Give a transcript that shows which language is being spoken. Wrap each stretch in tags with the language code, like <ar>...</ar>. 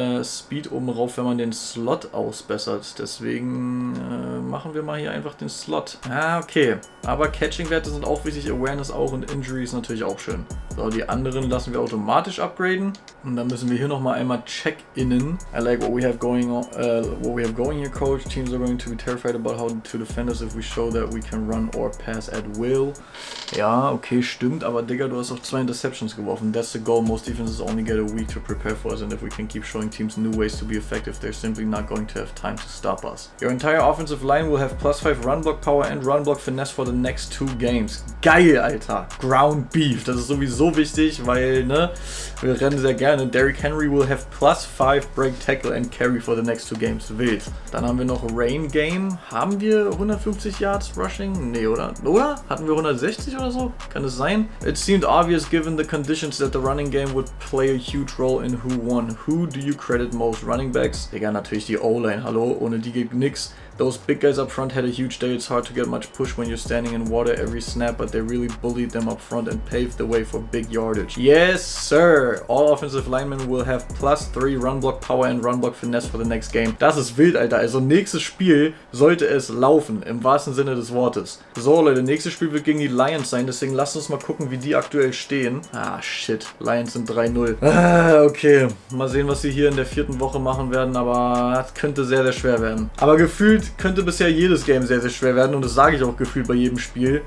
<de>Speed oben rauf, wenn man den Slot ausbessert. Deswegen machen wir mal hier einfach den Slot. Ah, okay. Aber Catching-Werte sind auch wichtig, Awareness auch und Injury ist natürlich auch schön. So, die anderen lassen wir automatisch upgraden. Und dann müssen wir hier nochmal einmal check-innen.</de> <en>I like what we have going here, Coach. Teams are going to be terrified about how to defend us if we show that we can run or pass at will.</en> <de>Ja, okay, stimmt. Aber Digga, du hast auch 2 Interceptions geworfen.</de> <en>That's the goal. Most defenses only get a week to prepare for us. And if we can keep showing teams new ways to be effective, they're simply not going to have time to stop us. Your entire offensive line will have +5 run block power and run block finesse for the next 2 games.</en> <de>Geil, Alter.</de> <en>Ground beef.</en> <de>Das ist sowieso wichtig, weil, ne, wir rennen sehr gerne.</de> <en>Derrick Henry will have +5 break tackle and carry for the next 2 games.</en> <de>Wild. Dann haben wir noch Rain Game. Haben wir 150 Yards rushing? Nee, oder? Oder? Hatten wir 160 oder so? Kann es sein?</de> <en>It seemed obvious given the conditions that the running game would play a huge role in who won. Who do you credit most? Running backs?</en> <de>Digga, natürlich die O-Line. Hallo? Ohne die geht nix.</de> <en>Those big guys up front had a huge day. It's hard to get much push when you're standing in water every snap, but they really bullied them up front and paved the way for big yardage. Yes, sir. All offensive linemen will have +3 run block power and run block finesse for the next game.</en> <de>Das ist wild, Alter. Also nächstes Spiel sollte es laufen, im wahrsten Sinne des Wortes. So, Leute, nächstes Spiel wird gegen die Lions sein. Deswegen lasst uns mal gucken, wie die aktuell stehen. Ah, shit. Lions sind 3-0. Ah, okay. Mal sehen, was sie hier in der 4. Woche machen werden, aber das könnte sehr, sehr schwer werden. Aber gefühlt könnte bisher jedes Game sehr, sehr schwer werden und das sage ich auch gefühlt bei jedem Spiel.</de>